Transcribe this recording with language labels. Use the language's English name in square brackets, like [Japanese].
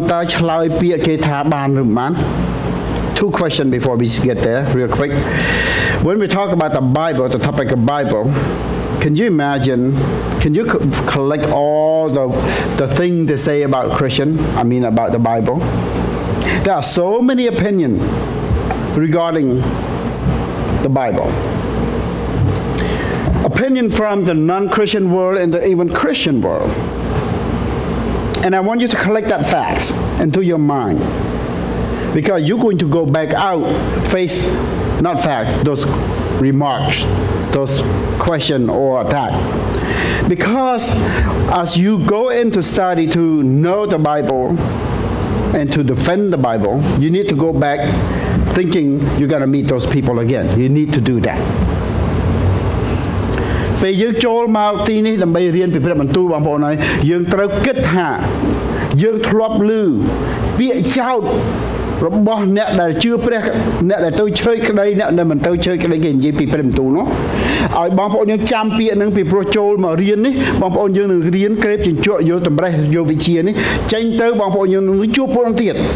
[Khmer] ពេលយើងនិយាយពីរឿងព្រះគម្ពីរម្ដងៗបងប្អូនហើយគឺមនុស្សគេម្នាក់ម្នាក់នេះគេថាអញ្ចេះម្នាក់នោះគេថាអញ្ចោះបងគិតគិតដល់គិតជាមួយខ្ញុំពាក្យព្រះគម្ពីរមួយម៉ាត់តើបងប្អូនឆ្លើយពាក្យគេថាបានឬមិនបាន [English] Two questions before we get there real quick. When we talk about the Bible, can you imagine, can you collect all the things they say about Christian, I mean about the Bible? There are so many opinions regarding the Bible. Opinion from the non-Christian world and the even Christian world. And I want you to collect that facts into your mind. Because you're going to go back out, face, not facts, those remarks, those question or that. Because as you go into study to know the Bible and to defend the Bible, you need to go back thinking you're going to meet those people again. You need to do that. When you go to this place to learn from the Bible, you have to think about it. You have to think about it. You [Khmer] របស់ អ្នក ដែល ជឿ ព្រះ អ្នក ដែល ទៅ ជើច ក្តី អ្នក ដែល មិន ទៅ ជើច ក្តី គេ និយាយ ពី ព្រះ បន្ទូល នោះ ឲ្យ បង ប្អូន យើង ចាំ ពាក្យ នឹង ពី ព្រោះ ចូល មក រៀន នេះ បង ប្អូន យើង នឹង រៀន ក្រេប ជញ្ជក់ យក តម្រេះ យក វិជ្ជា នេះ ចេញ ទៅ បង ប្អូន យើង នឹង ជួប ពួក នោះ ទៀត